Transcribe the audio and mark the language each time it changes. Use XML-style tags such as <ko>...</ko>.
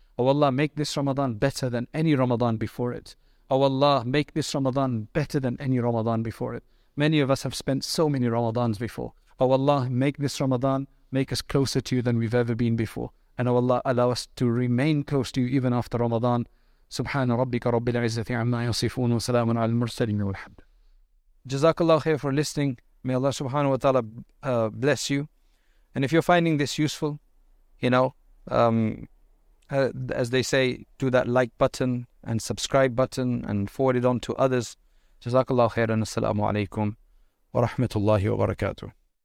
<en>O Allah, make this Ramadan better than any Ramadan before it. O Allah, make this Ramadan better than any Ramadan before it. Many of us have spent so many Ramadans before. O Allah, make this Ramadan, make us closer to you than we've ever been before. And O Allah, allow us to remain close to you even after Ramadan.</en> <ar>سبحان ربك رب العزة عما يصفون وسلام على المرسلين والحمد</ar> <en>Jazakallah khair for listening. May Allah subhanahu wa ta'ala bless you. And if you're finding this useful, you know, as they say, do that like button and subscribe button and forward it on to others. Jazakallah khair and assalamu alaikum wa rahmatullahi wa barakatuh.</en>